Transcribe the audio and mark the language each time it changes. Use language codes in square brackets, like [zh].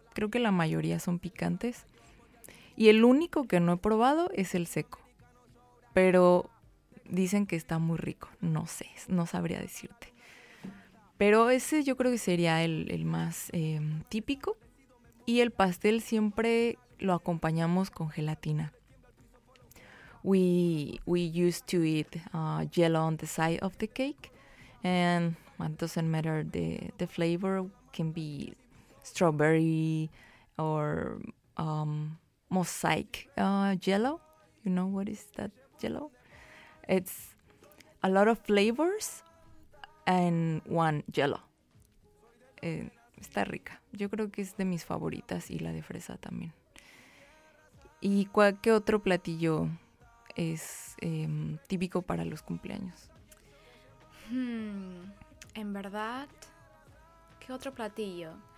[es] Creo que la mayoría son picantes. Y el único que no he probado es el seco. Pero dicen que está muy rico. No sé, no sabría decirte. Pero ese yo creo que sería el más típico. Y el pastel siempre lo acompañamos con gelatina. [en] We used to eat jello on the side of the cake. And it doesn't matter the flavor. Can be strawberry or mosaic jello. You know what is that jello? It's a lot of flavors and one jello. [es] Está rica. Yo creo que es de mis favoritas y la de fresa también. ¿Y qué otro platillo es típico para los cumpleaños? En verdad... ¿Qué otro platillo?